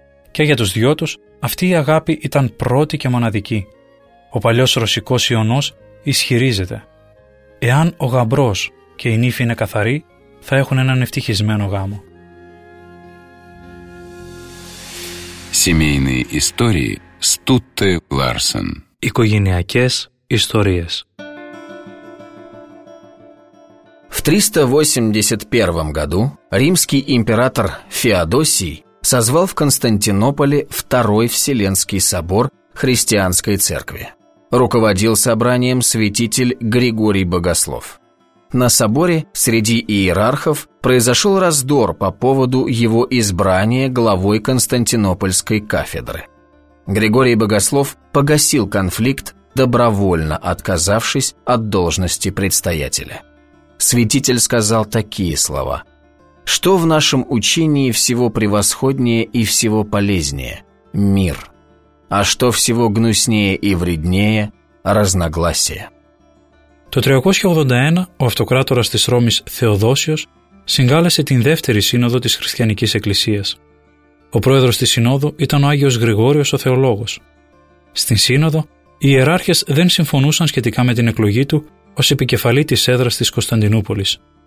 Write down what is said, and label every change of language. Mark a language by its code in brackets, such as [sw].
[el] Και για τους δυο τους αυτή η αγάπη ήταν πρώτη και μοναδική. Ο παλιός ρωσικός ιονός ισχυρίζεται: «Εάν ο γαμπρός και η νύφη είναι καθαρή, θα έχουν έναν ευτυχισμένο γάμο». [ru] Семейные истории Стутте Ларсен. [el] Οικογενειακές ιστορίες. [ru] В 381 году римский император Феодосий созвал в Константинополе Второй Вселенский собор христианской церкви. Руководил собранием святитель Григорий Богослов. На соборе среди иерархов произошел раздор по поводу его избрания главой Константинопольской кафедры. Григорий Богослов погасил конфликт, добровольно отказавшись от должности предстоятеля. Святитель сказал такие слова: «Что в нашем учении всего превосходнее и всего полезнее? Мир. А что всего гнуснее и вреднее? Разногласия». [el] Το 381 ο αυτοκράτορας της Ρώμης Θεοδόσιος συγκάλεσε την δεύτερη σύνοδο της Χριστιανικής Εκκλησίας. Ο πρόεδρος της Συνόδου ήταν ο Άγιος Γρηγόριος ο Θεολόγος. Στην Σύνοδο, οι ιεράρχες δεν συμφωνούσαν σχετικά με την εκλογή του ως επικεφαλή της έδρας της Κωνσταντινούπολης.